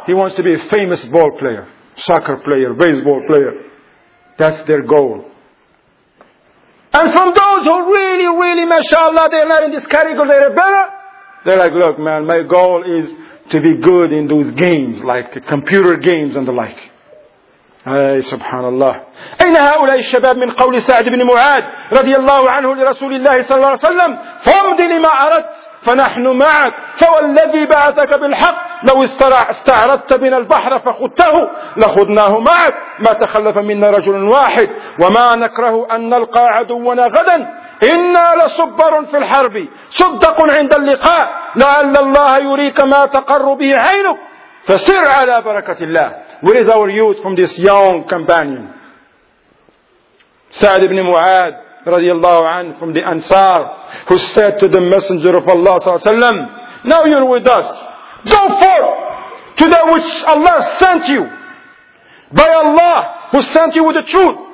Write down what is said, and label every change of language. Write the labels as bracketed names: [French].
[English] He wants to be a famous ball player, soccer player, baseball player. That's their goal. And from those who really, really, mashallah, they're not in this category, they're better. They're like, look, man, my goal is to be good in those games, like computer games and the like. Ay, subhanallah. [Arabic] أين هؤلاء الشباب من قول سعد بن معاذ رضي الله عنه لرسول الله صلى الله عليه وسلم فامض لما أردت فنحن معك فوالذي بعثك بالحق لو استعرضت بنا البحر فخدته لخذناه معك ما تخلف منا رجل واحد وما نكره أن نلقى عدونا غدا إنا لصبر في الحرب صدق عند اللقاء لعل الله يريك ما تقر به عينك فسر على بركة الله. [English] Where is our youth from this young companion? سعد بن معاذ رضي الله عنه, from the Ansar, who said to the Messenger of Allah صلى الله عليه وسلم, now you're with us. Go forth to that which Allah sent you. By Allah who sent you with the truth.